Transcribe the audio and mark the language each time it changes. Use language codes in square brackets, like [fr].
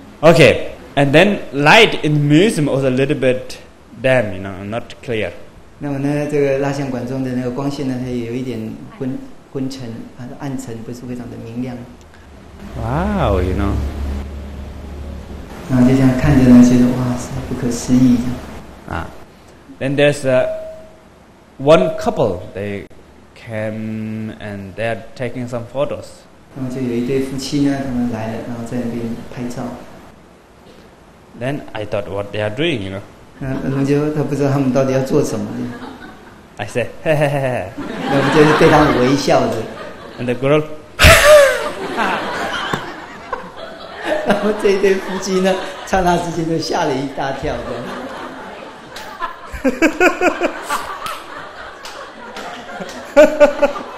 [en] Okay， and then light in the museum was a little bit dim, you know, not clear. [zh] 那么呢，这个蜡像馆中的那个光线呢，它有一点昏。昏沉，暗沉，不是非常的明亮。 [en] Wow, you know. [zh] 然后就这样看着呢，觉得哇，实在不可思议。 [en] Then there's one couple. They came and they're taking some photos. [zh] 然后就有一对夫妻呢，他们来了，然后在那边拍照。 [en] Then I thought what they are doing, you know. [zh] 然后就他不知道他们到底要做什么。 [en] I said, hey, hey, [zh] hey. 然后就是对他们微笑的。 [en] And the girl, [zh] 然后这一对夫妻呢，刹那之间就吓了一大跳的。